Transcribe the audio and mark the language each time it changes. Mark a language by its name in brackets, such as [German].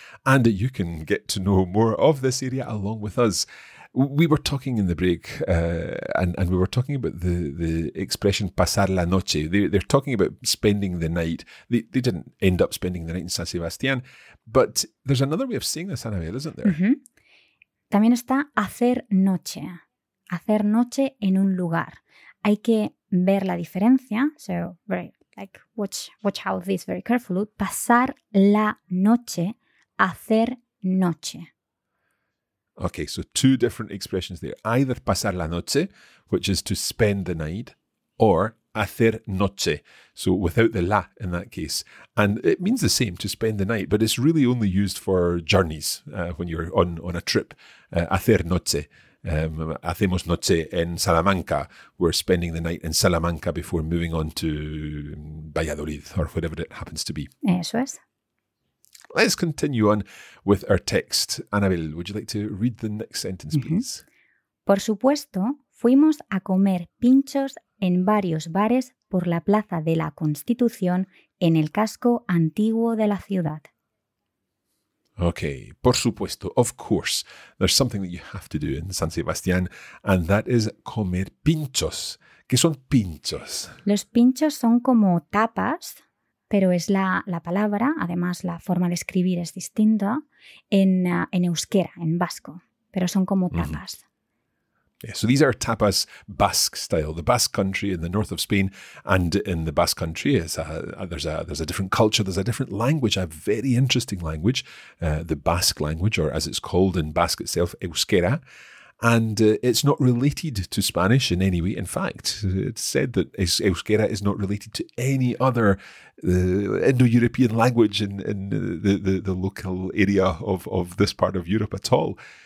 [English] And you can get to know more of this area along with us. We were talking in the break and we were talking about the expression [Spanish] pasar la noche. [English] They're talking about spending the night. They didn't end up spending the night in San Sebastián. But there's another way of saying this, Anabel, isn't there? Mm-hmm. [Spanish] También está hacer noche. Hacer noche en un lugar. Hay que ver la diferencia. [English] So, right, like watch out this very carefully. [Spanish] Pasar la noche, hacer noche. [English] Okay, so two different expressions there. Either [Spanish] pasar la noche, [English] which is to spend the night, or [Spanish] hacer noche, [English] so without the la in that case. And it means the same, to spend the night, but it's really only used for journeys, when you're on a trip. [Spanish] Hacer noche. Hacemos noche en Salamanca. [English] We're spending the night in Salamanca before moving on to Valladolid, or whatever it happens to be. [Spanish] Eso es. [English] Let's continue on with our text. Anabel, would you like to read the next sentence, please? [Spanish] Por supuesto, fuimos a comer pinchos en varios bares por la Plaza de la Constitución en el casco antiguo de la ciudad. [English] Okay, [Spanish] por supuesto, [English] of course, there's something that you have to do in San Sebastián, and that is [Spanish] comer pinchos. ¿Qué son pinchos? Los pinchos son como tapas, pero es la palabra, además la forma de escribir es distinta, en euskera, en vasco. Pero son como tapas. Mm-hmm. [English] Yeah, so these are tapas Basque style, the Basque country in the north of Spain. And in the Basque country, there's a different culture, there's a different language, a very interesting language, the Basque language, or as it's called in Basque itself, euskera. And it's not related to Spanish in any way. In fact, it's said that euskera is not related to any other Indo-European language in the local area of this part of Europe at all.